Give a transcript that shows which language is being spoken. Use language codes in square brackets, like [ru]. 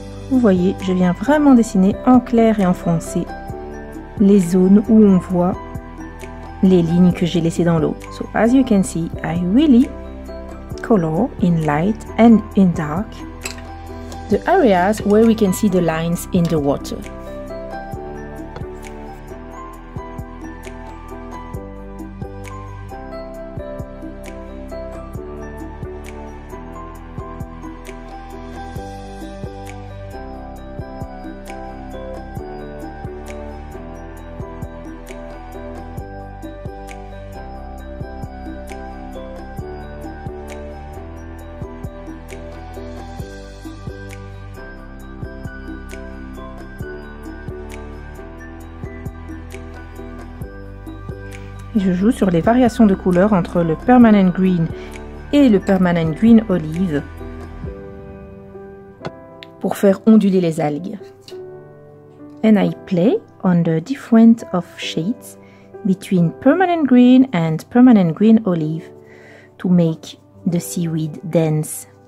[fr] vous voyez, je viens vraiment dessiner en clair et en foncé les zones où on voit les lignes que j'ai laissées dans l'eau. [en] So as you can see, I really color in light and in dark the areas where we can see the lines in the water. [fr] Je joue sur les variations de couleurs entre le permanent green et le permanent green olive pour faire onduler les algues. [en] And I play on the difference of shades between permanent green and permanent green olive to make the seaweed dance.